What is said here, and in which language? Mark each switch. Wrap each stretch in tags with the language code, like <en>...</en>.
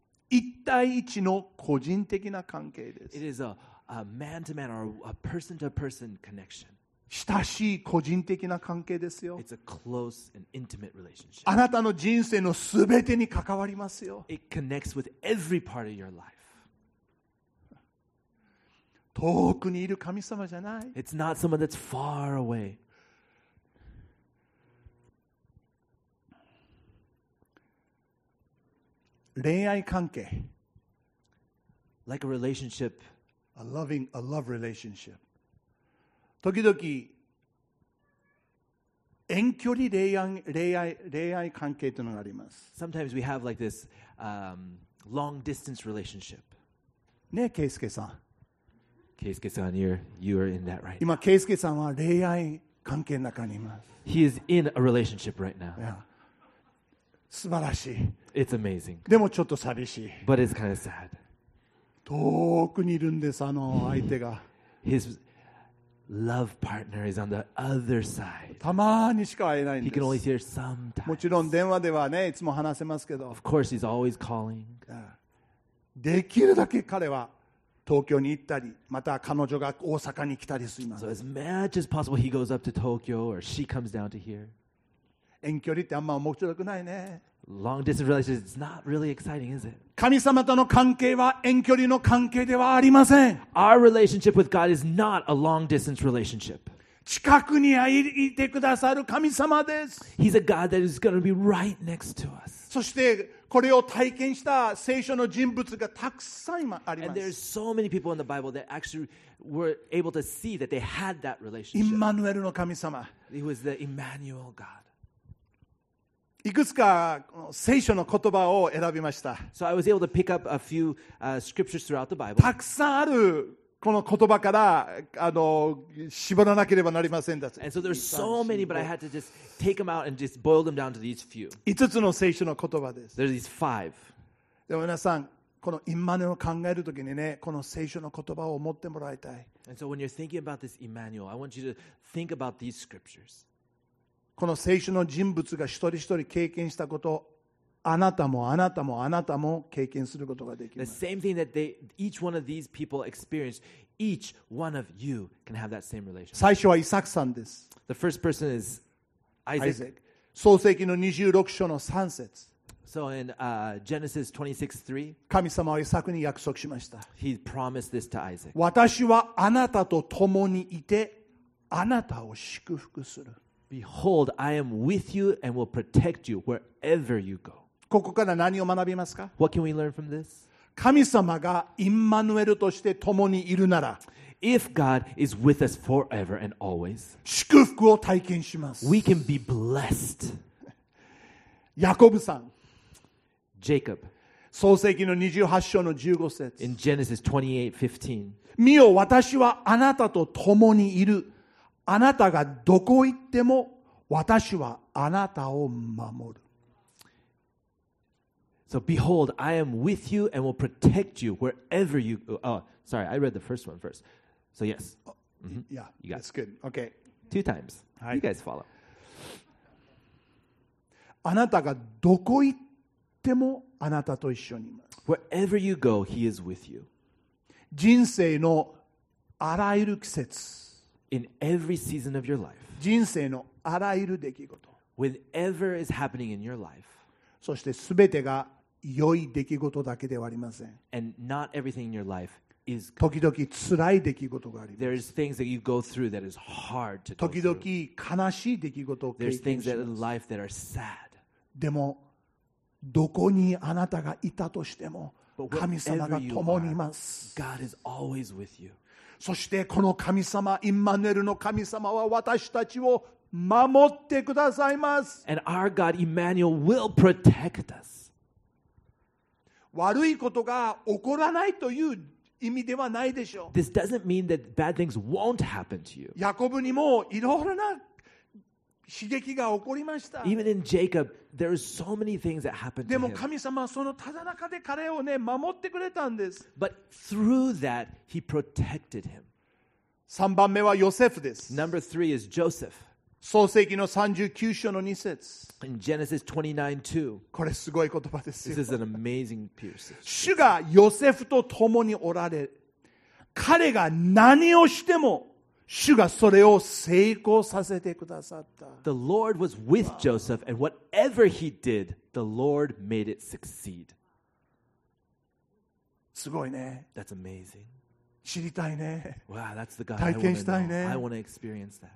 <ja>一対一の個人的な関係です。</ja> <en>It is a man-to-man or a person-to-person connection.</en> <ja>親しい個人的な関係ですよ。</ja> <en>It's a close and intimate relationship.</en> <ja>あなたの人生のすべてに関わりますよ。</ja> <en>It connects with every part of your life.</en> <ja>遠くにいる神様じゃない。</ja> <en>It's not someone that's far away.</en> <ja>恋愛関係。</ja> <en>Like a relationship. A love relationship.</en> <ja>時々遠距離恋愛関係というのがあります。</ja> <en>Sometimes we have like this long distance relationship.</en> <ja>ね、ケイスケさん。</ja> <en>ケイスケさん、you are in that right now.</en> <ja>今ケイスケさんは恋愛関係の中にいます。</ja> <en>He is in a relationship right now. Yeah.</en> <ja>素晴らしい。</ja> <en>It's amazing.</en> <ja>でもちょっと寂しい。</ja> <en>But it's kind of sad.</en> <ja>遠くにいるんです、あの相手が。</ja> <en>Love partner is on the other side.</en> <ja>たまにしか会えないんです。</ja> <en>He can only hear sometimes.</en> <ja>もちろん電話ではね、いつも話せますけど。</ja> <en>Of course, he's always calling.</en> <ja>できるだけ彼は東京に行ったり、また彼女が大阪に来たりします。</ja> <en>So as much as possible, he goes up to Tokyo or she comes down to here.</en> <ja>遠距離ってあんま面白くないね。</ja> <en>Long distance relationship is not really exciting, is it?</en> <ja>神様との関係は遠距離の関係ではありません。</ja> <en>Our relationship with God is not a long distance relationship.</en> <ja>近くにいてくださる神様です。</ja> <en>He's a God that is going to be right next to us.</en> <ja>そしてこれを体験した聖書の人物がたくさんあります。</ja> <en>And there's so many people in the Bible that actually were able to see that they had that relationship.</en> <ja>イマヌエルの神様。</ja> <en>He was the Emmanuel God.</en> <ja>いくつか聖書の言葉を選びました。</ja> <en>So I was able to pick up a few scriptures throughout the Bible.</en> <ja>たくさんあるこの言葉から絞らなければなりませんでした。</ja> <en>And so there's so many, but I had to just take them out and just boil them down to these few.</en> <ja>5つの聖書の言葉です。</ja> <en>There are these five.</en> <ja>でも皆さん、このイマヌエルを考えるときにね、この聖書の言葉を持ってもらいたい。</ja> <en>And so when you're thinking about this Emmanuel, I want you to think about these scriptures.</en> <ja>この聖書の人物が一人一人経験したことをあなたもあなたもあなたも経験することができます。</ja> <en>The same thing that they, each one of these people experienced, each one of you can have that same relationship.</en> <ja>最初はイサクさんです。</ja> <en>The first person is Isaac. Isaac.</en> <ja>創世記の26章の3節。</ja> <en>So in Genesis 26:3,</en> <ja>神様はイサクに約束しました。</ja> <en>He promised this to Isaac.</en> <ja>私はあなたと共にいてあなたを祝福する。</ja> <en>Behold, I am with you and will protect you wherever you go.</en> <ja>ここから何を学びますか?</ja> <en>What can we learn from this?</en> <ja>神様がイマヌエルとして共にいるなら、</ja> <en>If God is with us forever and always,</en> <ja>祝福を体験します。</ja> <en>We can be blessed.</en> <ja>ヤコブさん。</ja> <en>Jacob。</en> <ja>創世記の28章の15節。</ja> <en>In Genesis 28:15。</en> <ja>見よ、私はあなたと共にいる。あなたがどこ行っても、私はあなたを守る。</ja> <en>So behold, I am with you and will protect you wherever you go. Oh, sorry, I read the first one first. So yes. Mm-hmm. Yeah, you got it. That's good. Okay. Two times. Hi. You guys follow.</en> <ja>あなたがどこ行ってもあなたと一緒にいます。</ja> <en>Wherever you go, he is with you.</en> <ja>人生のあらゆる季節。</ja> <en>In every season of your life.</en> <ja>人生のあらゆる出来事。</ja> <en>Whatever is happening in your life.</en> <ja>そして全てが良い出来事だけではありません。</ja> <en>And not everything in your life is good.</en> <ja>時々辛い出来事があります。</ja> <en>There is things that you go through that is hard to go through.</en> <ja>時々悲しい出来事を経験します。</ja> <en>There's things that in life that are sad.</en> <ja>でも、どこにあなたがいたとしても、神様が共にいます。</ja> <en>God is always with you.</en> <ja>そしてこの神様、インマヌエルの神様は私たちを守ってくださいます。</ja> <en>And our God, Emmanuel, will protect us.</en> <ja>悪いことが起こらないという意味ではないでしょう。</ja> <en>This doesn't mean that bad things won't happen to you.</en> <ja>ヤコブにもいろいろな刺激が起こりました。</ja> <en>Even in Jacob, there are so many things that happened to him.</en> <ja>でも神様はそのただ中で彼をね、守ってくれたんです。</ja> <en>But through that, he protected him.</en> <ja>3番目はヨセフです。</ja> <en>Number 3 is Joseph.</en> <ja>創世記の39章の2節。</ja> <en>In Genesis 29:2。</en> <ja>これすごい言葉ですよ。</ja> <en>This is an amazing piece.</en> <ja>主がヨセフと共におられ、彼が何をしても主がそれを成功させてくださった。</ja> <en>The Lord was with Joseph, and whatever he did, the Lord made it succeed.</en> <ja>すごいね。</ja> <en>That's amazing.</en> <ja>知りたいね。</ja> <en>Wow, that's the God I want to know. I want to experience that.</en>